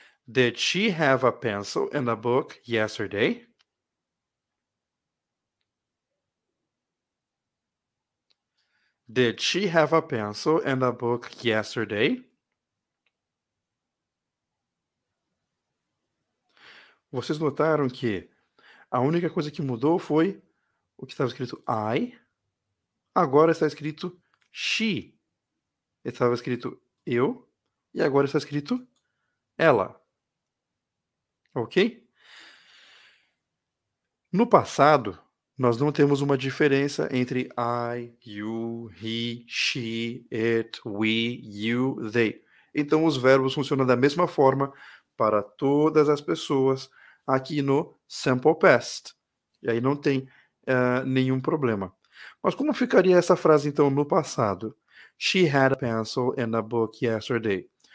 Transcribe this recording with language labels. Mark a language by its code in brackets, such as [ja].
[en] Did she have a pencil and a book yesterday? Did she have a pencil and a book yesterday? [pt] Vocês notaram que a única coisa que mudou foi o que estava escrito I. Agora está escrito she. Estava escrito eu. E agora está escrito ela. Ok? No passado, nós não temos uma diferença entre [en] I, you, he, she, it, we, you, they. [pt] Então, os verbos funcionam da mesma forma para todas as pessoas aqui no simple past. E aí não tem nenhum problema. Mas como ficaria essa frase, então, no passado? [en] She had a pencil and a book yesterday.